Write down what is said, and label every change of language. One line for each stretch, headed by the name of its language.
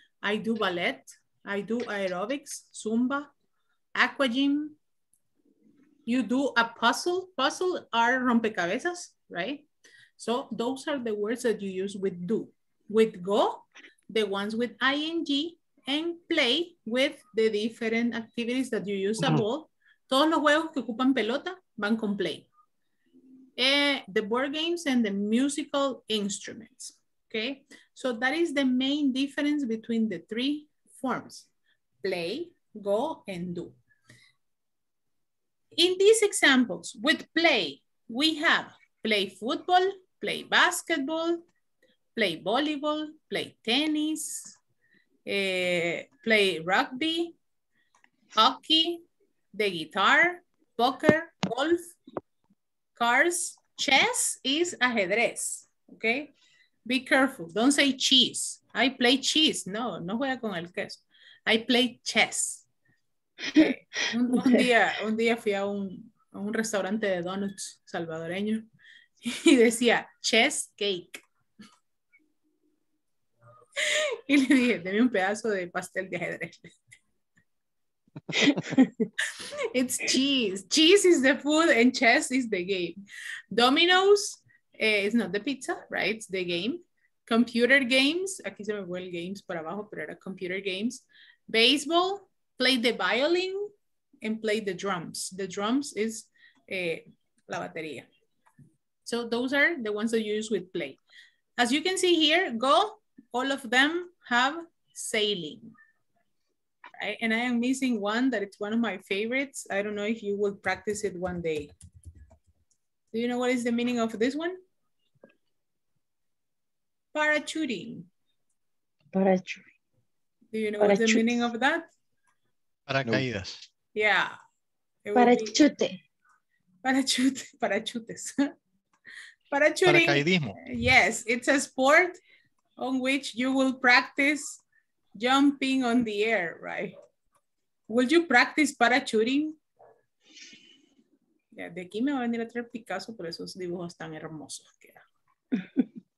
English: I do ballet, I do aerobics, zumba, aqua gym. You do a puzzle. Puzzle are rompecabezas, right? So those are the words that you use with do. With go, the ones with ing, and play with the different activities that you use a ball.
Spanish: Todos los juegos que ocupan pelota van con play.
English: The board games and the musical instruments. Okay, so that is the main difference between the three forms, play, go, and do. In these examples, with play, we have play football, play basketball, play volleyball, play tennis, play rugby, hockey, the guitar, poker, golf, cars, chess is ajedrez, okay? Be careful, don't say cheese. I play cheese,
Spanish: no, no juega con el queso.
English: I play chess.
Spanish: Un día fui a un restaurante de donuts salvadoreño y decía,
English: chess cake.
Spanish: Y le dije, deme un pedazo de pastel de ajedrez.
English: It's cheese. Cheese is the food and chess is the game. Domino's is not the pizza, right? It's the game. Computer games,
Spanish: aquí se me fue el games por abajo, pero era
English: computer games. Baseball, play the violin, and play the drums. The drums is
Spanish: la batería.
English: So those are the ones that you use with play. As you can see here, go, all of them have sailing. Right? And I am missing one that it's one of my favorites. I don't know if you will practice it one day. Do you know what is the meaning of this one? Parachuting. Parachuting. Do you know what's the meaning of that?
Spanish: Paracaídas.
English: Yeah. Parachute. Parachute. Parachutes. Parachuting.
Spanish: Paracaidismo.
English: Yes, it's a sport on which you will practice jumping on the air, right? Will you practice parachuting?
Spanish: Yeah, de aquí me va a venir a traer Picasso por esos dibujos tan hermosos que era.